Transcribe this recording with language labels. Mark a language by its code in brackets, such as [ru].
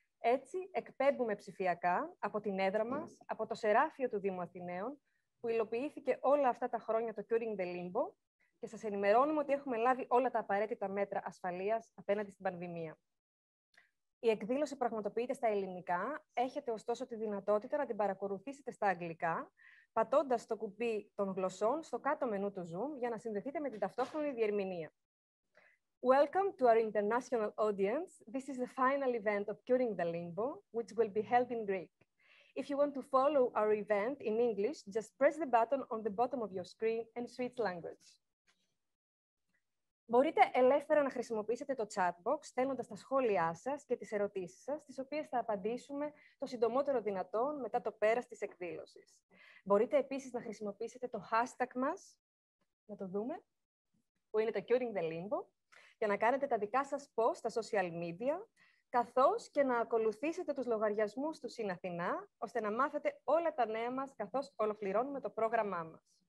[el] Έτσι, εκπέμπουμε ψηφιακά από την έδρα μας, από το Σεράφιο του Δήμου Αθηναίων, που υλοποιήθηκε όλα αυτά τα χρόνια το Curing the Limbo και σας ενημερώνουμε ότι έχουμε λάβει όλα τα απαραίτητα μέτρα ασφαλείας απέναντι στην πανδημία. Η εκδήλωση πραγματοποιείται στα ελληνικά, έχετε ωστόσο τη δυνατότητα να την παρακολουθήσετε στα αγγλικά, πατώντας το κουμπί των γλωσσών στο κάτω μενού του Zoom για να συνδεθείτε με την ταυτόχρονη διερμηνία. [en] Welcome to our international audience. This is the final event of Curing the Limbo, which will be held in Greek. If you want to follow our event in English, just press the button on the bottom of your screen and switch language. [el] Μπορείτε ελεύθερα να χρησιμοποιήσετε το chatbox, στέλνοντας τα σχόλιά σας και τις ερωτήσεις σας, τις οποίες θα απαντήσουμε το συντομότερο δυνατόν μετά το πέρας της εκδήλωσης. Μπορείτε επίσης να χρησιμοποιήσετε το hashtag μας, να το δούμε, που είναι το Curing the Limbo, για να κάνετε τα δικά σας post στα social media, καθώς και να ακολουθήσετε τους λογαριασμούς του Συναθηνά, ώστε να μάθετε όλα τα νέα μας, καθώς ολοκληρώνουμε το πρόγραμμά μας.